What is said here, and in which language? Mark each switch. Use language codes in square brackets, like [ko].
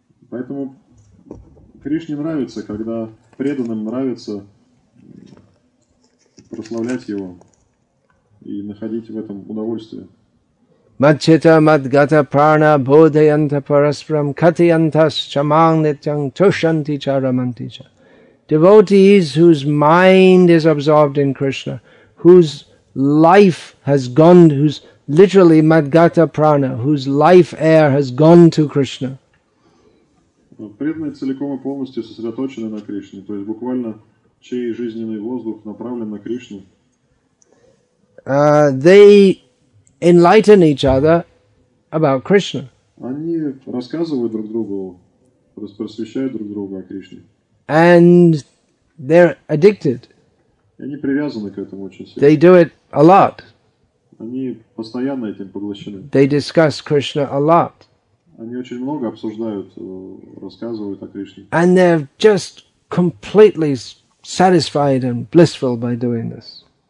[ru] Поэтому Кришне нравится, когда преданным нравится прославлять его и находить в этом удовольствие. [sa] Мадчита мадгата прана бодхаянта параспрам катиянтас чаман нитян тушанти чараманти ча. [en] Devotees whose mind is absorbed in Krishna, whose life has gone, whose literally madgata prana, whose life air has gone to Krishna. [ru] Преданные целиком и полностью сосредоточены на Кришне, то есть буквально чей жизненный воздух направлен на Кришну. [en] They enlighten each other about Krishna. [ru] Они рассказывают друг другу, просвещают друг друга о Кришне. [en] And they're addicted. [ru] Они привязаны к этому очень сильно. [en] They do it a lot. [ru] Они постоянно этим поглощены. [en] They discuss Krishna a lot. [ru] Они очень много обсуждают, рассказывают о Кришне. [en] And they're just completely satisfied and blissful by doing this.